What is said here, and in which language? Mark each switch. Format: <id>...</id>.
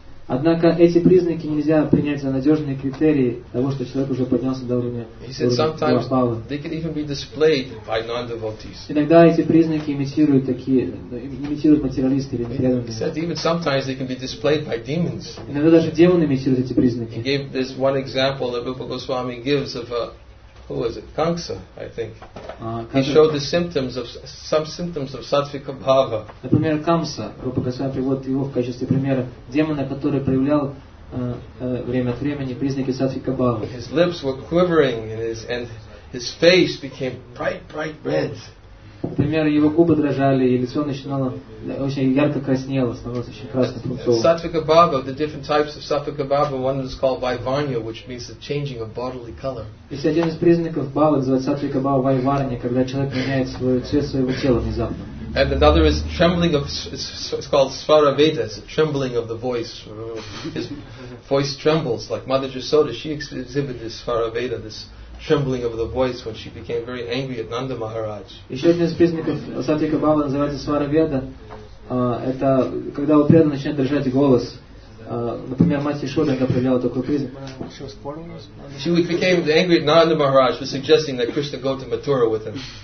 <ru>Однако эти признаки нельзя принять за надежные критерии того, что человек уже поднялся до уровня Бхавы.</ru> <en>They can even be displayed by non-devotees.</en> <ru>Иногда эти признаки имитируют материалисты или непреданные.</ru> <en>He said even sometimes they can be displayed by demons.</en> <ru>Иногда даже демоны имитируют эти признаки.</ru> <en>He gave this one example that Rupa Goswami gives of a who was it? Kamsa, I think. He showed the symptoms of some symptoms of sattvika bhava.</en> <ru>Например, Камса, Рупа Госвами приводит его в качестве примера демона, который проявлял время от времени признаки сатвика бхава.</ru> <en>His lips were quivering and his face became bright red.</en> <ru>Например, его губы дрожали, и лицо начинало очень ярко краснело, становилось очень красным, пунцовым.</ru> <en>Sattvika bhava, the different types of sattvika bhava, one is called vaivarnya, which means the changing of bodily color.</en> <ru>Если один из признаков бхавы называется сатвика бхава вайварня, когда человек меняет цвет своего тела внезапно.</ru> <en>And another is trembling of, it's called svaraveda, it's a trembling of the voice. His voice trembles, like Mother Jasoda, she exhibited this svaraveda, this trembling of the voice when she became very angry at Nanda Maharaj.</en> <ru>Еще один из признаков сатвика бхавы называется свараведа. Это когда у преданного начинает дрожать голос. Например, мать Ишода проявляла такой признак.</ru> <en>She became angry at Nanda Maharaj for suggesting that Krishna go to Mathura with him.</en>